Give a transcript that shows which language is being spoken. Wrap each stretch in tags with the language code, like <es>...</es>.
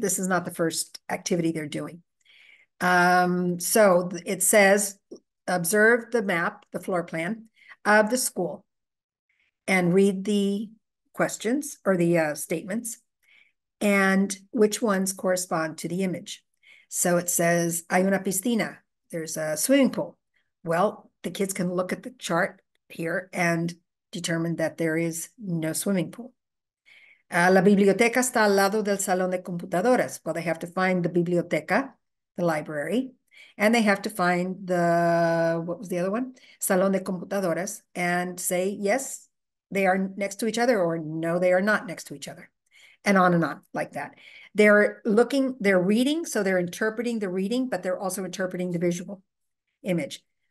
<en>This is not the first activity they're doing. So it says, observe the map, the floor plan of the school, and read the questions or the statements, and which ones correspond to the image. So it says,</en> <es>hay una piscina.</es> <en>There's a swimming pool. Well, the kids can look at the chart here and determine that there is no swimming pool.</en> <es>La biblioteca está al lado del salón de computadoras.</es> <en>Well, they have to find the biblioteca, the library, and they have to find the, what was the other one?</en> <es>Salón de computadoras,</es> <en>and say, yes, they are next to each other, or no, they are not next to each other. And on like that. They're looking, they're reading, so they're interpreting the reading, but they're also interpreting the visual image.</en>